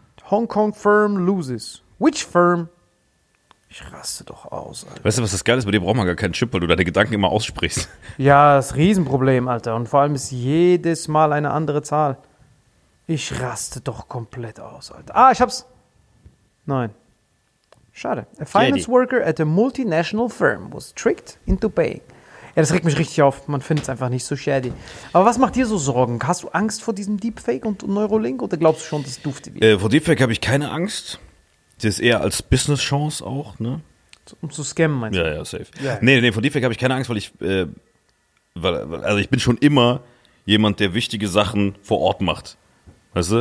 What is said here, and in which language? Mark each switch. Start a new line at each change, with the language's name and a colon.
English: Hong Kong Firm loses. Which Firm?
German: Ich raste doch aus, Alter. Weißt du, was das Geile ist? Bei dir braucht man gar keinen Chip, weil du deine Gedanken immer aussprichst. Ja, das ist ein Riesenproblem, Alter. Und vor allem ist jedes Mal eine andere Zahl. Ich raste doch komplett aus, Alter. Ah, ich hab's. Nein. Schade.
English: A finance worker at a multinational firm was tricked into paying.
German: Ja, das regt mich richtig auf. Man findet es einfach nicht so shady. Aber was macht dir so Sorgen? Hast du Angst vor diesem Deepfake und Neuralink oder glaubst du schon, dass es dufte wird? Vor Deepfake habe ich keine Angst. Das ist eher als Business-Chance auch, ne? Um zu scammen, meinst du? Ja, safe. Ja. Nee, vor Deepfake habe ich keine Angst, weil ich, also ich bin schon immer jemand, der wichtige Sachen vor Ort macht. Weißt du?